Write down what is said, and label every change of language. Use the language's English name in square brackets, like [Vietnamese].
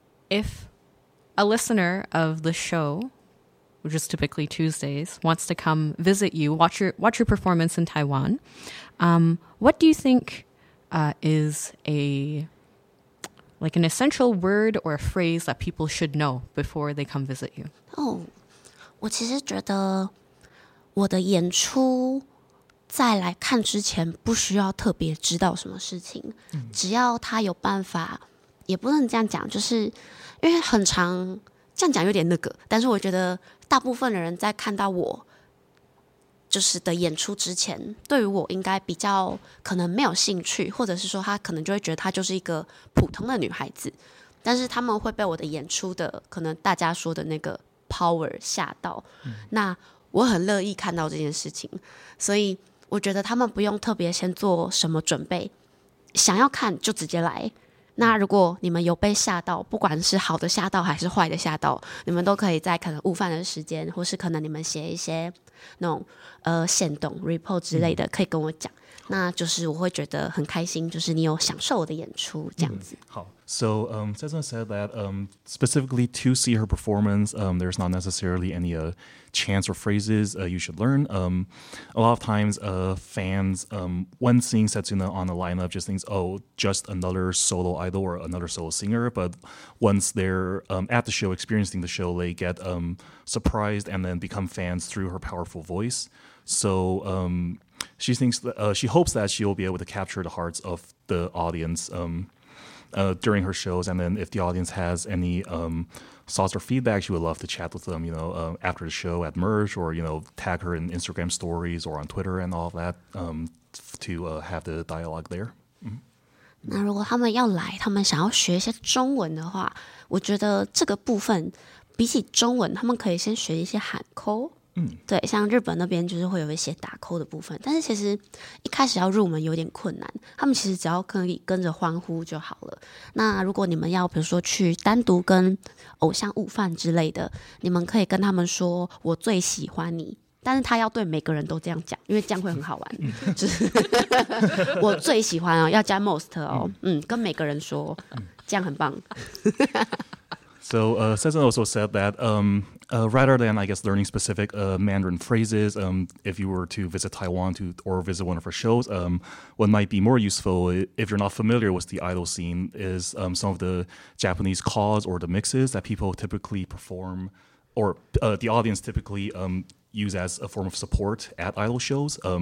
[English] If a listener of the show, which is typically Tuesdays, wants to come visit you, watch your performance in Taiwan, what do you think is a like an essential word or a phrase that people should know before they come visit you? [Chinese] Oh, 我其实觉得我的演出在来看之前不需要特别知道什么事情，只要他有办法，也不能这样讲，就是因为很常这样讲有点那个，但是我觉得大部分的人在看到我就是的演出之前，对于我应该比较可能没有兴趣，或者是说他可能就会觉得她就是一个普通的女孩子，但是他们会被我的演出的可能大家说的那个 power 吓到，那我很乐意看到这件事情，所以我觉得他们不用特别先做什么准备，想要看就直接来。那如果你们有被吓到，不管是好的吓到还是坏的吓到，你们都可以在可能午饭的时间，或是可能你们写一些那种限动 report 之类的，可以跟我讲。那就是我会觉得很开心，就是你有享受我的演出这样子。 [English] 好 ，So Cezanne said that specifically to see her performance, there's not necessarily any chants or phrases you should learn. A lot of times, fans when seeing Setsuna on the lineup just thinks, oh, just another solo idol or another solo singer. But once they're at the show, experiencing the show, they get surprised and then become fans through her powerful voice. So. She thinks that, she hopes that she will be able to capture the hearts of the audience during her shows, and then if the audience has any thoughts or feedback, she would love to chat with them, you know, after the show at Merge, or you know, tag her in Instagram stories or on Twitter and all of that to have the dialogue there. [Chinese] 那如果他们要来，他们想要学一些中文的话，我觉得这个部分比起中文，他们可以先学一些喊口。对，像日本那边就是会有一些打 call 的部分，但是其实一开始要入门有点困难，他们其实只要可以跟着欢呼就好了。那如果你们要比如说去单独跟偶像午饭之类的，你们可以跟他们说我最喜欢你，但是他要对每个人都这样讲，因为这样会很好玩。就是我最喜欢哦，要加 most 哦，跟每个人说，这样很棒。 [English] So Cezanne also said that rather than, I guess, learning specific Mandarin phrases, if you were to visit Taiwan or visit one of her shows, what might be more useful, if you're not familiar with the idol scene, is some of the Japanese calls or the mixes that people typically perform, or the audience typically use as a form of support at idol shows.